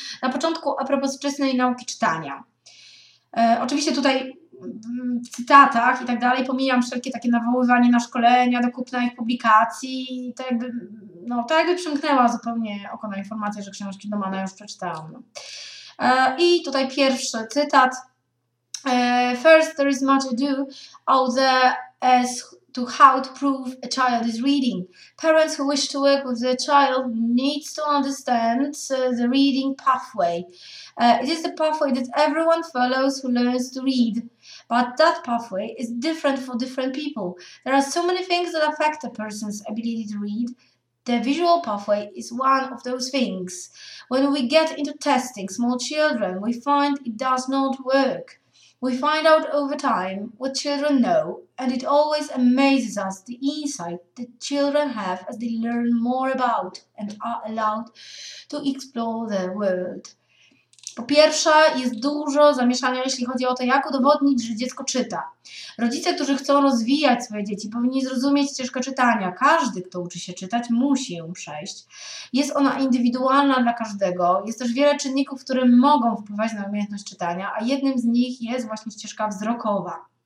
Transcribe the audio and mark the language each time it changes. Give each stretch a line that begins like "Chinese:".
Polish: Na początku a propos wczesnej nauki czytania. Oczywiście tutaj w cytatach i tak dalej pomijam wszelkie takie nawoływanie na szkolenia, do kupna ich publikacji. To jakby przymknęła zupełnie oko na informację, że książki Domana już przeczytałam. I tutaj pierwszy cytat.
English: First, there is much ado out there as to how to prove a child is reading. Parents who wish to work with their child needs to understand the reading pathway. It is the pathway that everyone follows who learns to read. But that pathway is different for different people. There are so many things that affect a person's ability to read. The visual pathway is one of those things. When we get into testing small children, we find it does not work. We find out over time what children know, and it always amazes us the insight that children have as they learn more about and are allowed to explore the world.
Polish: Po pierwsze, jest dużo zamieszania, jeśli chodzi o to, jak udowodnić, że dziecko czyta. Rodzice, którzy chcą rozwijać swoje dzieci, powinni zrozumieć ścieżkę czytania. Każdy, kto uczy się czytać, musi ją przejść. Jest ona indywidualna dla każdego. Jest też wiele czynników, które mogą wpływać na umiejętność czytania, a jednym z nich jest właśnie ścieżka wzrokowa.